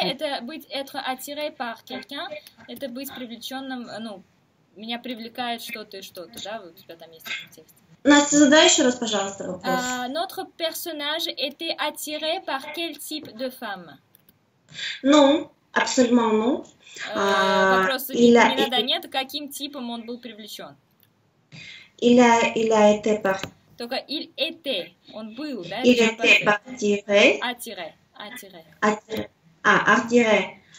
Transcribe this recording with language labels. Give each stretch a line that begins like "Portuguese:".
Russian: это быть,
French: être attiré par quelqu'un,
Russian: это быть привлеченным, ну, меня привлекает что-то и что-то, да, вот у тебя там есть текст. Настя, задай еще раз, пожалуйста, вопрос.
French: Notre personnage était attiré par quel type de femme? Non, absolument non.
Russian: Вопрос нет, каким типом он был привлечен?
French: Il a été par...
Russian: Только
French: il était,
Russian: он был, да?
French: Il était attiré. Attiré. Attiré.